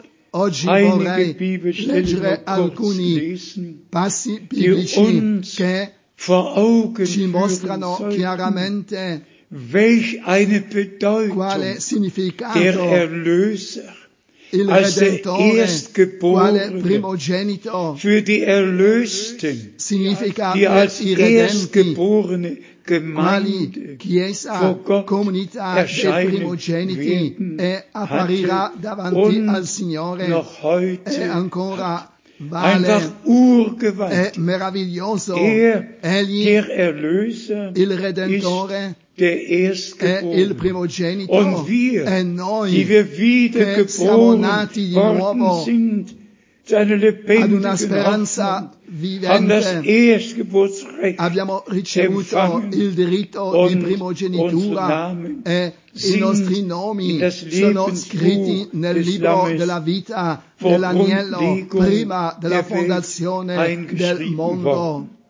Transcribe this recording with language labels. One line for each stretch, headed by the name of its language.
Italian: Oggi vorrei leggere alcuni passi biblici che ci mostrano chiaramente
German: welch eine Bedeutung der Erlöser als der Erstgeborene für die Erlösten, die als Erstgeborene Gemeinde vor Gott erscheinen werden und noch heute einfach urgewaltig. Der Erlöser,
Italian: il Redentore,
German: der Erstgeborene. Und wir,
Italian: noi,
German: die wir wiedergeboren worden sind, zu einer lebendigen Hoffnung, haben das Erstgeburtsrecht
Italian: abbiamo ricevuto il diritto di primogenitura e i nostri nomi sono scritti nel libro della vita dell'agnello prima della fondazione del mondo.